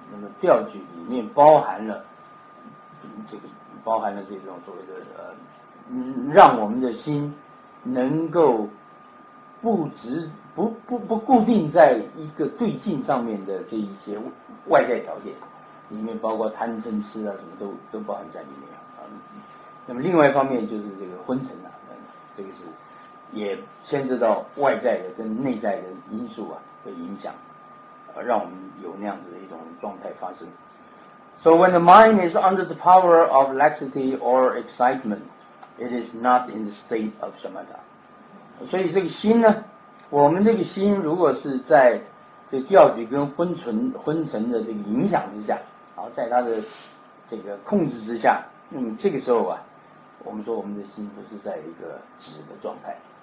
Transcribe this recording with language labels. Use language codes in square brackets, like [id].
[zh] 那么吊举里面包含了这种所谓的让我们的心能够不固定在一个对境上面的这一些外在条件，里面包括贪嗔痴啊什么都包含在里面啊。那么另外一方面就是这个昏沉啊，这个是。也牵涉到外在的跟内在的因素啊的影响，让我们有那样子的一种状态发生。 [en] So when the mind is under the power of laxity or excitement, it is not in the state of samatha. [zh] 所以这个心呢，我们这个心如果是在这吊举跟昏沉的这个影响之下，然后在它的这个控制之下，那么这个时候啊，我们说我们的心不是在一个止的状态。